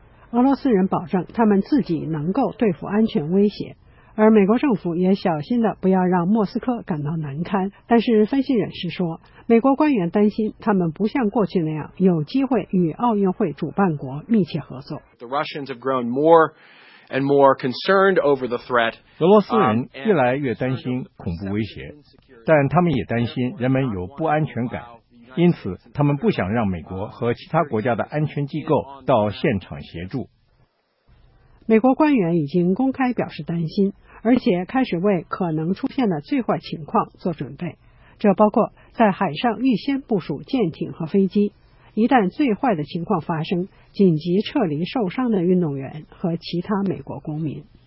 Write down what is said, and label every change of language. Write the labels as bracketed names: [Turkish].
[Chinese] 俄罗斯人保证他们自己能够对付安全威胁，而美国政府也小心的不要让莫斯科感到难堪。但是分析人士说，美国官员担心他们不像过去那样有机会与奥运会主办国密切合作。 [English] The Russians have grown more and more concerned over the threat. [Chinese] 俄罗斯人越来越担心恐怖威胁，但他们也担心人们有不安全感，因此他们不想让美国和其他国家的安全机构到现场协助。美国官员已经公开表示担心，而且开始为可能出现的最坏情况做准备，这包括在海上预先部署舰艇和飞机，一旦最坏的情况发生，紧急撤离受伤的运动员和其他美国公民。